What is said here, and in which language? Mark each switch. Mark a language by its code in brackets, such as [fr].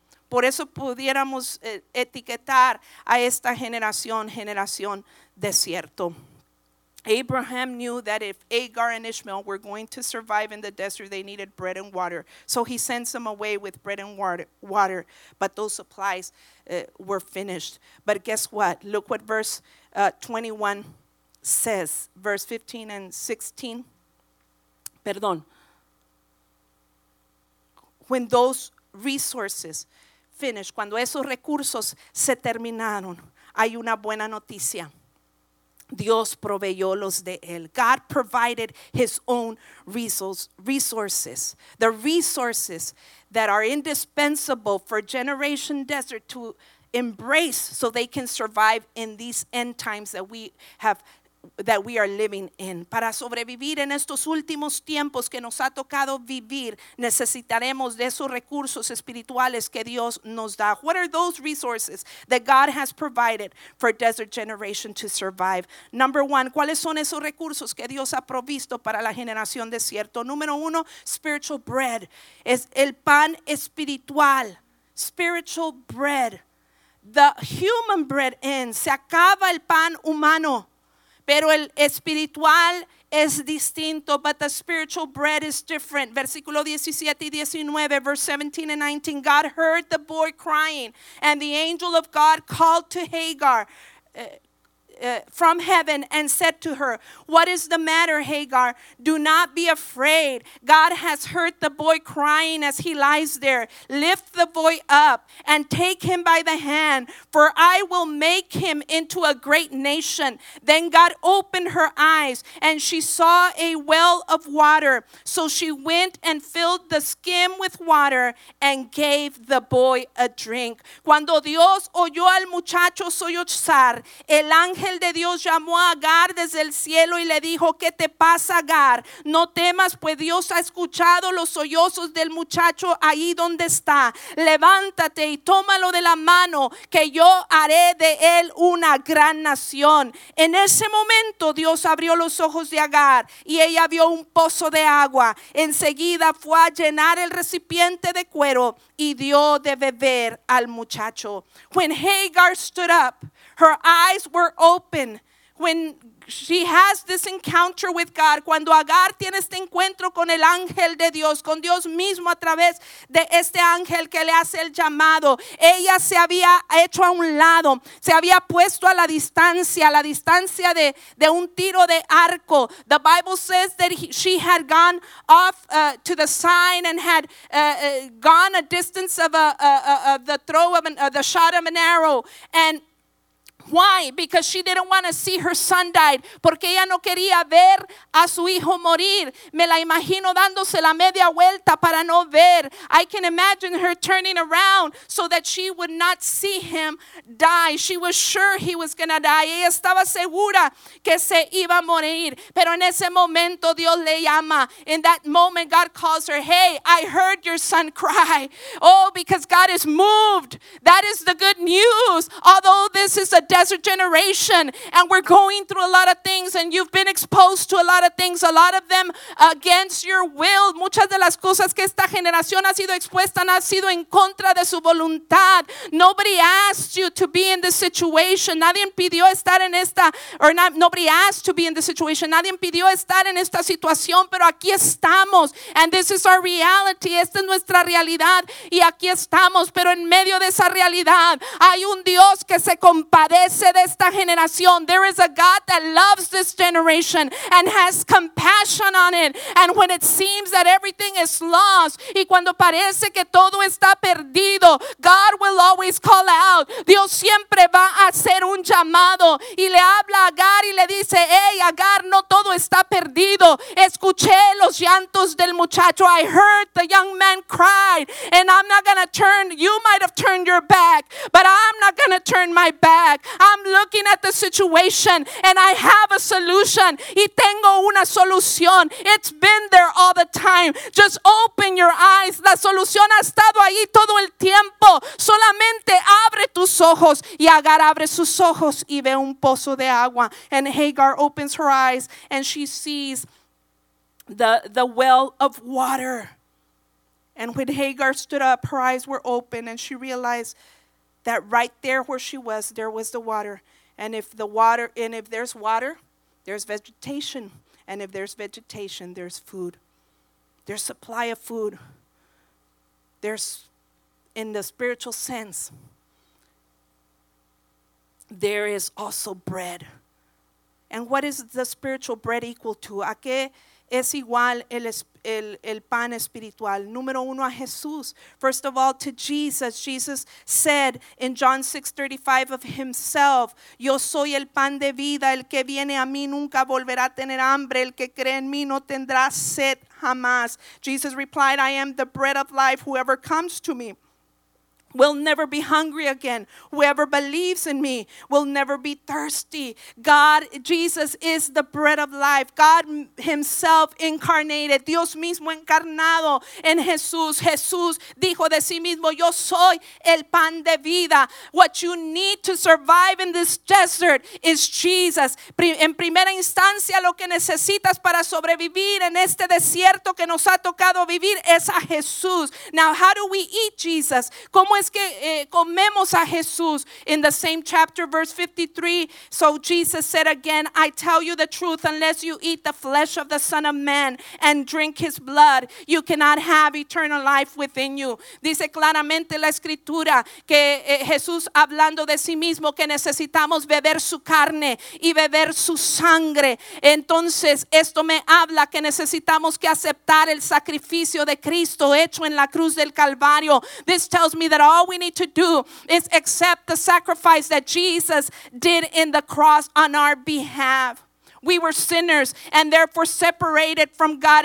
[es] Por eso pudiéramos etiquetar a esta generación desierto. [en] Abraham knew that if Agar and Ishmael were going to survive in the desert, they needed bread and water. So he sends them away with bread and water. But those supplies were finished. But guess what? Look what verse 21 says. Verse 15 and 16. [es] Perdón. [en] When those resources finished, [es] cuando esos recursos se terminaron, hay una buena noticia. Dios proveyó los de él. [en] God provided his own resources. The resources that are indispensable for Generation Desert to embrace so they can survive in these end times that we are living in. [es] Para sobrevivir en estos últimos tiempos que nos ha tocado vivir, necesitaremos de esos recursos espirituales que Dios nos da. [en] What are those resources that God has provided for desert generation to survive? Number one, [es] ¿cuáles son esos recursos que Dios ha provisto para la generación desierto? Número uno, [en] spiritual bread. [es] Es el pan espiritual. [en] Spiritual bread. The human bread ends. [es] Se acaba el pan humano. Pero el espiritual es distinto, [en] but the spiritual bread is different. [es] Versículo 17 y 19, [en] verse 17 and 19. God heard the boy crying, and the angel of God called to Hagar from heaven and said to her, "What is the matter, Hagar? Do not be afraid. God has heard the boy crying as he lies there. Lift the boy up and take him by the hand, for I will make him into a great nation." Then God opened her eyes, and she saw a well of water. So she went and filled the skin with water and gave the boy a drink. [es] Cuando Dios oyó al muchacho sollozar, el ángel ángel de Dios llamó a Agar desde el cielo y le dijo: ¿Qué te pasa, Agar? No temas, pues Dios ha escuchado los sollozos del muchacho ahí donde está. Levántate y tómalo de la mano, que yo haré de él una gran nación. En ese momento Dios abrió los ojos de Agar y ella vio un pozo de agua. Enseguida fue a llenar el recipiente de cuero y dio de beber al muchacho. [en] When Hagar stood up, her eyes were open. When she has this encounter with God, [es] cuando Agar tiene este encuentro con el ángel de Dios, con Dios mismo a través de este ángel que le hace el llamado, ella se había hecho a un lado, se había puesto a la distancia de un tiro de arco. [en] The Bible says that she had gone off to the side and had gone a distance of the shot of an arrow. And why? Because she didn't want to see her son die. [es] Porque ella no quería ver a su hijo morir. Me la imagino dándose la media vuelta para no ver. [en] I can imagine her turning around so that she would not see him die. She was sure he was going to die. [es] Ella estaba segura que se iba a morir. Pero en ese momento Dios le llama. [en] In that moment God calls her. Hey, I heard your son cry. Oh, because God is moved. That is the good news. Although this is a desert generation and we're going through a lot of things and you've been exposed to a lot of things, a lot of them against your will. [es] Muchas de las cosas que esta generación ha sido expuesta han sido en contra de su voluntad. [en] Nobody asked you to be in this situation. [es] Nadie pidió estar en esta, [en] or not, nobody asked to be in this situation. [es] Nadie pidió estar en esta situación, pero aquí estamos. [en] And this is our reality. [es] Esta es nuestra realidad y aquí estamos. Pero en medio de esa realidad hay un Dios que se compadece de esta generación. [en] There is a God that loves this generation and has compassion on it. And when it seems that everything is lost, [es] y cuando parece que todo está perdido, [en] God will always call out. [es] Dios siempre va a hacer un llamado y le habla a Agar y le dice: Hey, Agar, no todo está perdido. Escuché los llantos del muchacho. [en] I heard the young man cry, and I'm not gonna turn. You might have turned your back, but I'm not gonna turn my back. I'm looking at the situation and I have a solution. [es] Y tengo una solución. [en] It's been there all the time. Just open your eyes. [es] La solución ha estado ahí todo el tiempo. Solamente abre tus ojos. Y Agar abre sus ojos y ve un pozo de agua. [en] And Hagar opens her eyes and she sees the well of water. And when Hagar stood up, her eyes were open and she realized that right there where she was, there was the water. And if the water, and if there's water, there's vegetation. And if there's vegetation, there's food. There's supply of food. There's, in the spiritual sense, there is also bread. And what is the spiritual bread equal to? [es] ¿A qué es igual el pan espiritual? Número uno, [en] a Jesús. First of all, to Jesus. Jesus said in John 6:35 of himself, [es] yo soy el pan de vida. El que viene a mí nunca volverá a tener hambre. El que cree en mí no tendrá sed jamás. [en] Jesus replied, I am the bread of life. Whoever comes to me will never be hungry again. Whoever believes in me will never be thirsty. God, Jesus is the bread of life. God himself incarnated. [es] Dios mismo encarnado en Jesús. Jesús dijo de sí mismo, yo soy el pan de vida. [en] What you need to survive in this desert is Jesus. [es] En primera instancia, lo que necesitas para sobrevivir en este desierto que nos ha tocado vivir es a Jesús. [en] Now, how do we eat Jesus? [es] ¿Cómo es que comemos a Jesús? [en] In the same chapter, verse 53, so Jesus said again, I tell you the truth, unless you eat the flesh of the Son of Man and drink his blood, you cannot have eternal life within you. [es] Dice claramente la escritura que Jesús hablando de sí mismo que necesitamos beber su carne y beber su sangre. Entonces esto me habla que necesitamos que aceptar el sacrificio de Cristo hecho en la cruz del Calvario. [en] This tells me that all we need to do is accept the sacrifice that Jesus did in the cross on our behalf. We were sinners and therefore separated from God.